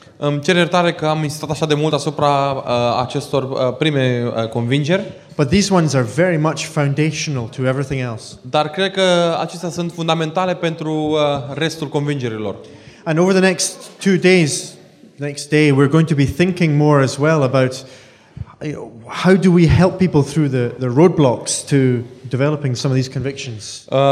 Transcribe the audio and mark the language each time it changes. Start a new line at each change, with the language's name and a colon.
Romanian: Îmi cer iertare că am insistat așa de mult asupra acestor prime convingeri.
English: But these ones are very much foundational to everything else.
Romanian: Dar cred că acestea sunt fundamentale pentru restul convingerilor.
English: And over the next 2 days, next day, we're going to be thinking more as well about how do we help people through the roadblocks to developing some of these convictions?